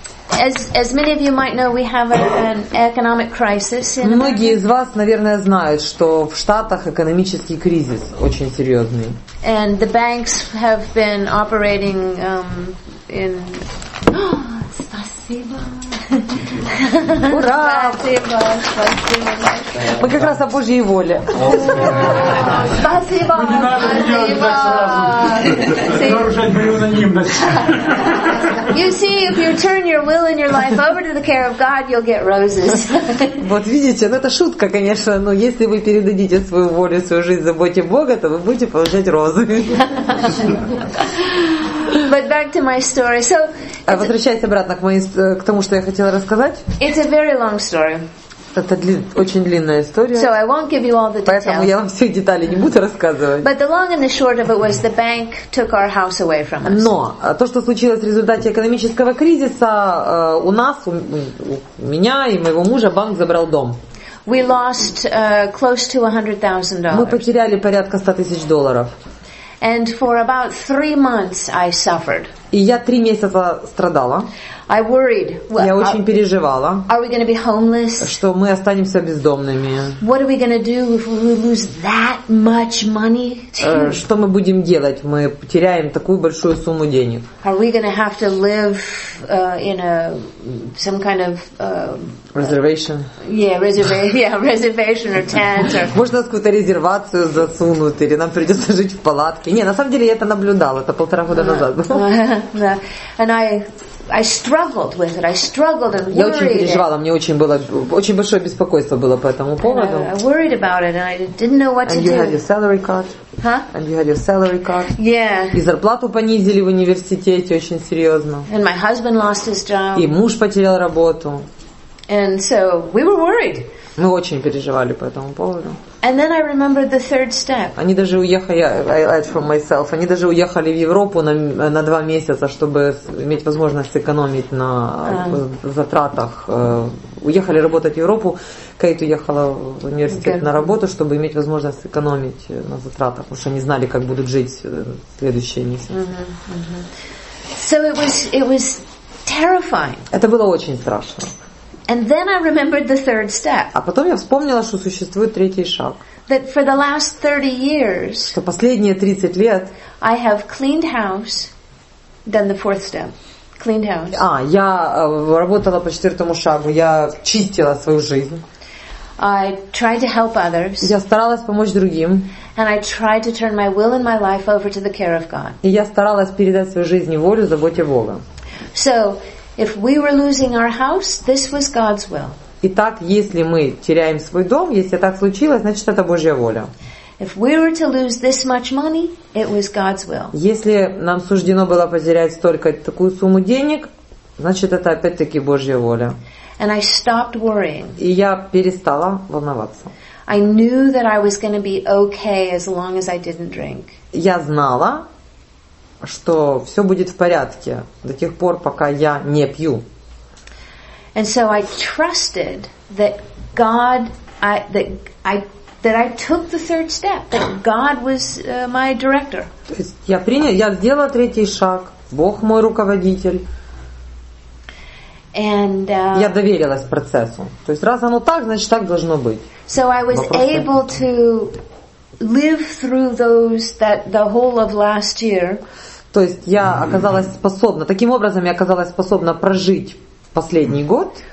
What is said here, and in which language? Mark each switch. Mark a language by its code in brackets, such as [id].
[en] As many of you might know, we have an economic crisis. [ru] Многие из вас, наверное, знают, что в Штатах экономический кризис очень серьезный. [en] And the banks have been operating in. [ru] Спасибо. Ура! Спасибо, спасибо. Мы как раз о Божьей воле. Спасибо. Не надо делать нарушать мою анонимность. [en] You see, if you turn your will and your life over to the care of God, you'll get roses. [ru] Вот видите, ну это шутка, конечно, но если вы передадите свою волю, свою жизнь заботе Бога, то вы будете получать розы. [en] But back to my story. So, [ru] возвращаясь обратно к тому, что я хотела рассказать. [en] It's a very long story. [ru] Это очень длинная история. [en] So I won't give you all the details. [ru] Поэтому я вам все детали не буду рассказывать. [en] But the long and the short of it was the bank took our house away from us. [ru] Но то, что случилось в результате экономического кризиса, у нас, у меня и моего мужа банк забрал дом. [en] We lost close to $100,000. [ru] Мы потеряли порядка 100 тысяч долларов. [en] And for about 3 months I suffered. [ru] И я 3 месяца страдала. [en] I worried. [ru] Я очень переживала. [en] Are we going to be homeless? [ru] Что мы останемся бездомными? [en] What are we going to do if we lose that much money? [ru] Что мы будем делать? Мы теряем такую большую сумму денег. [en] Are we going to have to live in a some kind of reservation? Reservation or tent or. [ru] Можно какую-то резервацию засунуть или нам придется жить в палатке? Не, на самом деле я это наблюдала, это полтора года назад. [en] And I struggled with it. I struggled and worried. [ru] Я очень переживала. Мне очень было очень большое беспокойство было по этому поводу. [en] I worried about it and I didn't know what to do. And you had your salary cut. Huh? And you had your salary cut. Yeah. [ru] И зарплату понизили в университете очень серьезно. [en] And my husband lost his job. [ru] И муж потерял работу. [en] And so we were worried. [ru] Мы очень переживали по этому поводу. [en] And then I remembered the third step. [ru] Они даже уехали, они даже уехали в Европу на 2 месяца, чтобы иметь возможность сэкономить на затратах. Уехали работать в Европу. Кейт уехала в университет на работу, чтобы иметь возможность сэкономить на затратах, потому что они знали, как будут жить следующие месяцы. [en] So it was terrifying. [ru] Это было очень страшно. [en] And then I remembered the third step. [ru] А потом я вспомнила, что существует третий шаг. [en] That for the last 30 years. [ru] Что последние 30 лет. [en] I have cleaned house, done the fourth step. Cleaned house. [ru] А, я работала по четвертому шагу. Я чистила свою жизнь. [en] I tried to help others. [ru] Я старалась помочь другим. [en] And I tried to turn my will and my life over to the care of God. [ru] И я старалась передать свою жизнь и волю заботе Бога. [en] So, if we were losing our house, this was God's will. [ru] Итак, если мы теряем свой дом, если так случилось, значит это Божья воля. [en] If we were to lose this much money, it was God's will. [ru] Если нам суждено было потерять столько такую сумму денег, значит это опять-таки Божья воля. [en] And I stopped worrying. [ru] И я перестала волноваться. [en] I knew that I was going to be okay as long as I didn't drink. [ru] Я знала, что все будет в порядке до тех пор, пока я не пью. [en] And so I trusted that God, I, that I that I took the third step, that God was my director. [ru] То есть я принял, я сделала третий шаг. Бог мой руководитель. [en] And [ru] я доверилась процессу. То есть раз оно так, значит так должно быть. [en] So I was able to live through those that the whole of last year. [ru] То есть я оказалась способна, таким образом я оказалась способна прожить последний год.